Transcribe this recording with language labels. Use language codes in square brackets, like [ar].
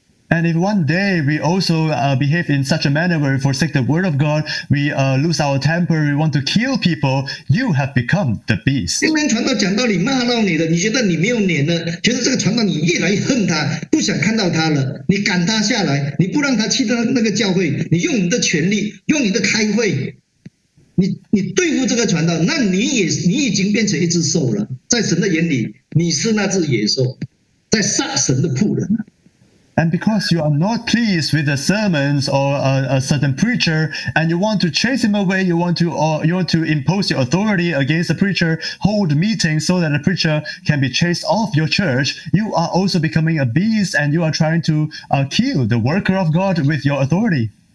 [en] And if one day we also behave in such a manner where we forsake the word of God, we lose our temper, we want to kill people, you have become the beast. [zh] 那边传道讲道理骂到你了，你觉得你没有脸了，觉得这个传道你越来越恨他，不想看到他了，你赶他下来，你不让他去到那个教会，你用你的权力，用你的开会，你对付这个传道，那你也已经变成一只兽了，在神的眼里，你是那只野兽，在杀神的仆人了。 [en] And because you are not pleased with the sermons or a certain preacher, and you want to chase him away, you want to impose your authority against the preacher, hold meetings so that the preacher can be chased off your church, you are also becoming a beast, and you are trying to kill the worker of God with your authority.